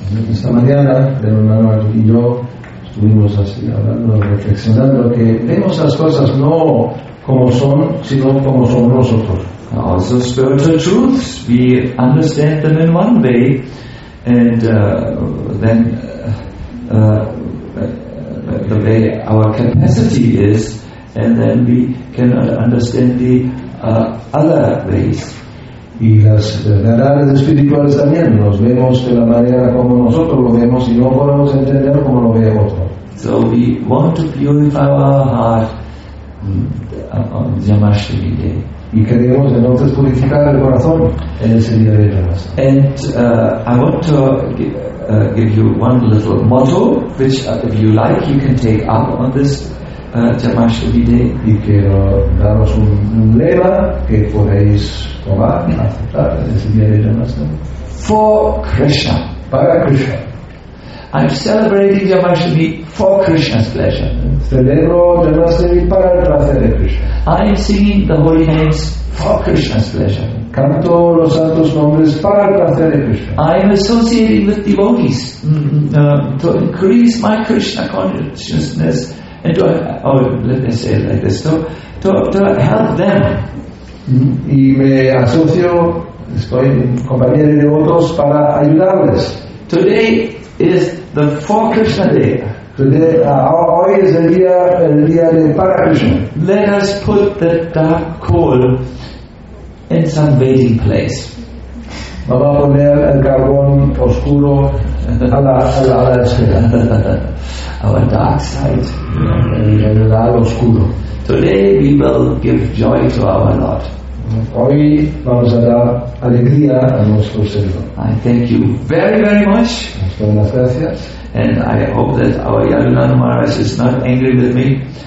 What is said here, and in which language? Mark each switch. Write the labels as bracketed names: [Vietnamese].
[Spanish] Esta mañana, Yananda Maharaj y yo estuvimos así hablando, reflexionando, que vemos las cosas no como son, sino como son nosotros. [English] Also spiritual truths, we understand them in one way, and the way our capacity is, and then we can understand the other ways. [Spanish] Y las verdades espirituales también, nos vemos de la manera como nosotros lo vemos, y no podemos entender como lo ve otro. [English] So we want to purify our heart on Yamashtami Day. [Spanish] Y queremos entonces purificar el corazón en ese día de Ramas. [English] And I want to give you one little motto, which if you like you can take up on this Yamashtami Day. [Spanish] Y quiero daros un lema que podéis tomar, aceptar en ese día de Ramas. [English] For Krishna. [Spanish] Para Krishna. [English] I'm celebrating Yamashtami for Krishna's pleasure. [Spanish] Celebro Yamashtami para el placer de Krishna. [English] I am singing the holy names for Krishna's pleasure. [Spanish] Canto los santos nombres para el placer de Krishna. [English] I am associating with devotees to increase my Krishna consciousness and to, or let me say it like this, to help them. [Spanish] Y me asocio, estoy en compañía de devotos para ayudarles. [English] Today is the for Krishna day. Today, [Spanish] hoy es el día de para Krishna. [English] Let us put the dark coal in some waiting place. [Spanish] Vamos a poner el carbón oscuro a la espera. [English] Our dark side. [Spanish] El lado oscuro. [English] Today we will give joy to our Lord. [Spanish] Hoy vamos a dar alegría a nuestro Señor. [English] I thank you very, very much. [Spanish] Muchas gracias. [English] And I hope that our Yadunanda Maharaj is not angry with me.